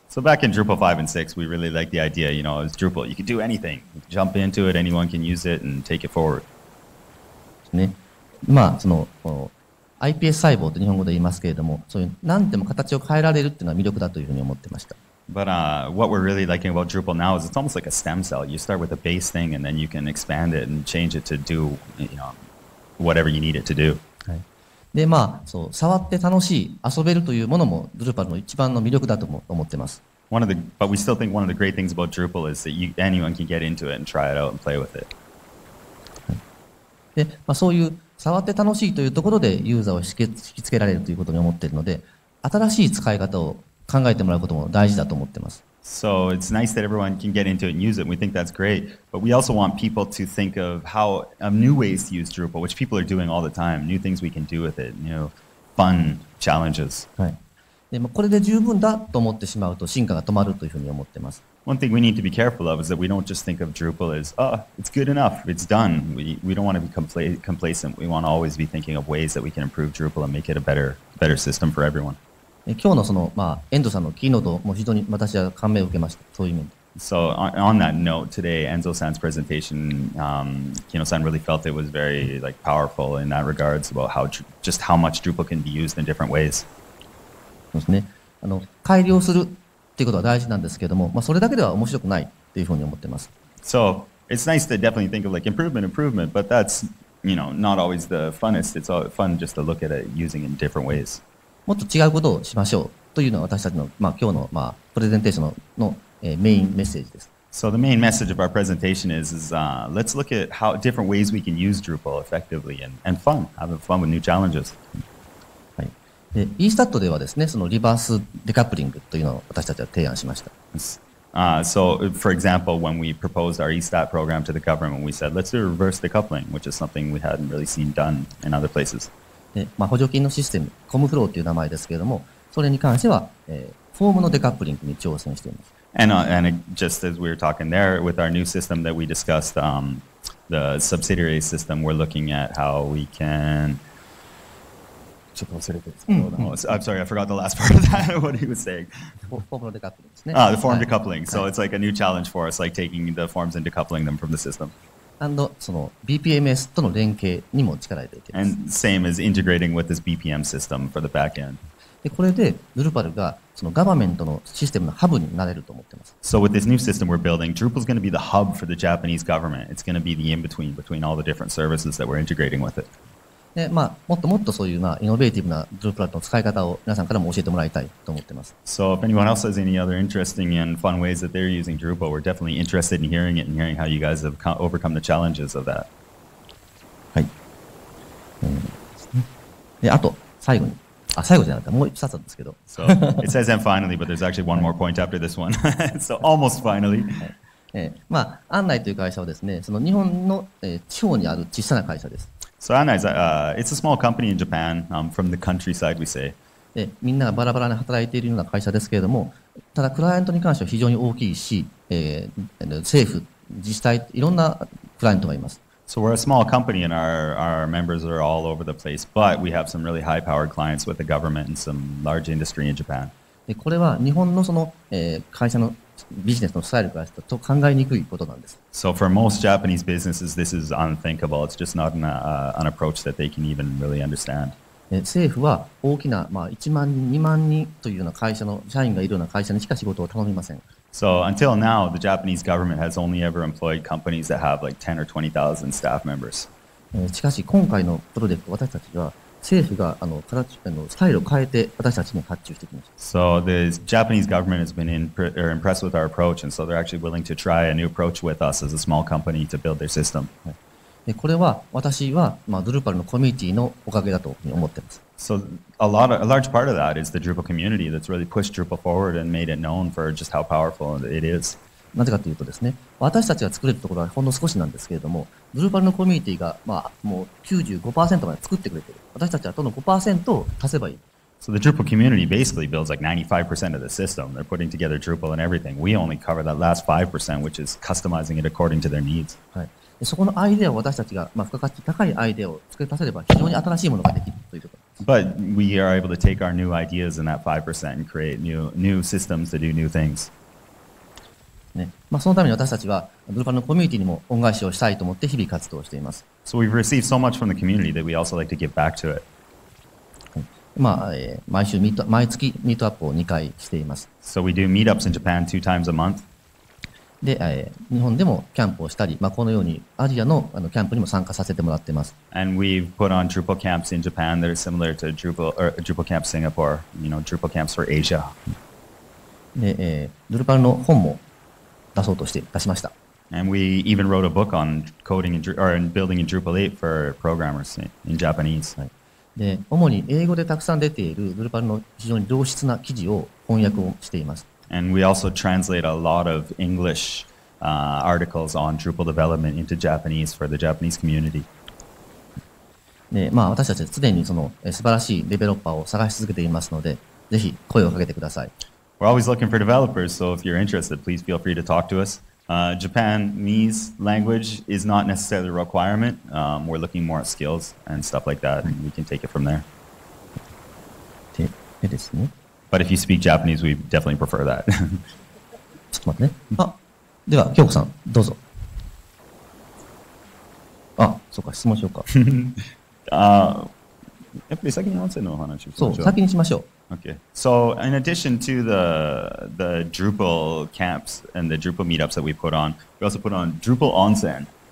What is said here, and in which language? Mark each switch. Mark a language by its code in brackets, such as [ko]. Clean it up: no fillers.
[en] So back in Drupal 5 and 6, we really liked the idea. You know, it's Drupal. You can do anything. Jump into it. Anyone can use it and take it forward. [ja] ね、まあその iPS 細胞と日本語で言いますけれども、そういう何でも形を変えられるっていうのは魅力だというふうに思ってました。 [en] But what we're really liking about Drupal now is it's almost like a stem cell. You start with a base thing and then you can expand it and change it to do, you know, whatever you need it to do.、 [ja] はい、でまあそう触って楽しい遊べるというものも Drupal の一番の魅力だと思ってます。 [en] But we still think one of the great things about Drupal is that anyone can get into it and try it out and play with it. [ja] でまあ、そういう触って楽しいというところでユーザーを引きつけられるということに思っているので新しい使い方を考えてもらうことも大事だと思っています。 [en] So it's nice that everyone can get into it and use it. We think that's great. But we also want people to think of how new ways to use Drupal, which people are doing all the time. New things we can do with it. New fun challenges. [ja] はい。で、まあ、これで十分だと思ってしまうと進化が止まるというふうに思っています。 [en] One thing we need to be careful of is that we don't just think of Drupal as, oh, it's good enough, it's done. We don't want to be complacent. We want to always be thinking of ways that we can improve Drupal and make it a better system for everyone. [ja] 今日のその、まあ、遠藤さんのキーノートも非常に私は感銘を受けました。そういう意味で。 [en] So on that note, today Enzo-san's presentation, Kino-san really felt it was very like powerful in that regards about how just how much Drupal can be used in different ways. [ja] そうですね。あの改良するっていうことは大事なんですけれども、まあ、それだけでは面白くないっていうふうに思ってます。 [en] So it's nice to definitely think of like improvement, but that's you know not always the funnest. It's all fun just to look at it using in different ways. [ja] もっと違うことをしましょうというのは私たちのまあ今日のまあプレゼンテーションのメインメッセージです。 [en] So the main message of our presentation is let's look at how different ways we can use Drupal effectively and fun, having fun with new challenges. [ja] はい。で、eStat ではですね、そのリバースデカップリングというのを私たちは提案しました。 [en] So for example, when we proposed our eStat program to the government, we said let's do reverse decoupling, which is something we hadn't really seen done in other places. [ja] で、まあ補助金のシステム、コムフローという名前ですけれども、それに関しては、フォームのデカップリングに挑戦しています。 [en] And just as we were talking there with our new system that we discussed, the subsidiary system, we're looking at how we can. I'm sorry, I forgot the last part of that. What he was saying. Form decoupling. The form decoupling. So it's like a new challenge for us, like taking the forms and decoupling them from the system. And [ja] その BPMS との連携にも力を入れています。 [en] And same as integrating with this BPM system for the backend. [ja] でこれでドゥルパルがそのガバメントのシステムのハブになれると思ってます。 [en] So with this new system we're building, Drupal is going to be the hub for the Japanese government. It's going to be the in-between between all the different services that we're integrating with it. [ja] で、まあ、もっともっとそういう、まあ、イノベーティブなドゥルパルの使い方を皆さんからも教えてもらいたいと思ってます。 [en] So if anyone else has any other interesting and fun ways that they're using Drupal, we're definitely interested in hearing it and hearing how you guys have overcome the challenges of that. [ja] はい。で、あと、最後に。あ、最後じゃなかった。もう一冊なんですけど。 [en] So, it says and finally, but there's actually one more point after this one. So, almost finally. 、 [ja] はい、まあ、案内という会社はですね、その日本の、地方にある小さな会社です。 [en] So,案内 it's a small company in Japan, from the countryside, we say. [ja] みんながバラバラに働いているような会社ですけれども、ただクライアントに関しては非常に大きいし、政府、自治体、いろんなクライアントがいます。 [en] So we're a small company and our members are all over the place, but we have some really high-powered clients with the government and some large industry in Japan. [ja] でこれは日本のその、会社のビジネスのスタイルからすると考えにくいことなんです。 [en] So for most Japanese businesses, this is unthinkable. It's just not an approach that they can even really understand. [ja] 政府は大きな、まあ、1万人、2万人というような会社の社員がいるような会社にしか仕事を頼みません。 [en] So until now, the Japanese government has only ever employed companies that have like 10 or 20,000 staff members. [ja] しかし今回のプロジェクト、私たちは政府があのスタイルを変えて私たちに発注してきました。 [en] So the Japanese government has been impressed with our approach, and so they're actually willing to try a new approach with us as a small company to build their system. [ja] これは私は、まあ、ドゥルパルのコミュニティのおかげだと思っています。 [en] So a large part of that is the Drupal community that's really pushed Drupal forward and made it known for just how powerful it is. [ja] なぜかというとですね、私たちが作れるところはほんの少しなんですけれども、ドゥルパルのコミュニティが、まあ、もう 95% まで作ってくれている。私たちはとの 5% を足せばいい。 [en] So the Drupal community basically builds like 95% of the system. They're putting together Drupal and everything. We only cover that last 5%, which is customizing it according to their needs. [ja] はい。そこのアイデアを私たちが、まあ、付加価値高いアイデアを付け足せれば非常に新しいものができるということ。 [en] But we are able to take our new ideas in that 5% and create new systems to do new things. [ja] ね、まあ、そのために私たちはドゥルパルのコミュニティにも恩返しをしたいと思って日々活動しています。 [en] So we've received so much from the community that we also like to give back to it. [ja] まあ、毎月ミートアップを2回しています。 [en] So we do meetups in Japan 2 times a month. [ja] で、日本でもキャンプをしたり、まあ、このようにアジア の, あのキャンプにも参加させてもらっています。 [en] And we've put on Drupal camps in Japan that are similar to Drupal camp Singapore, you know, Drupal camps for Asia. [ja] で、ドゥルパルの本も出そうとして出しました。 [en] And we even wrote a book on coding and building in Drupal 8 for programmers in Japanese.、 [ja] はい、で、主に英語でたくさん出ているドゥルパルの非常に良質な記事を翻訳をしています。 [en] And we also translate a lot of English articles on Drupal development into Japanese for the Japanese community. [ja] ね、まあ私たち常にその素晴らしいデベロッパーを探し続けていますので、ぜひ声をかけてください。 [en] We're always looking for developers, so if you're interested, please feel free to talk to us. Japanese language is not necessarily a requirement. We're looking more at skills and stuff like that, and we can take it from there. [ja] でですね。 [en] But if you speak Japanese, we definitely prefer that. [ja] ちょっと待ってね。あ、では、京子さん、どうぞ。あ、そうか、質問しようか。やっぱり先に音声のお話をしましょう。そう、先にしましょう。 [en] Okay. So, in addition to the Drupal camps and the Drupal meetups that we put on, we also put on Drupal Onsen.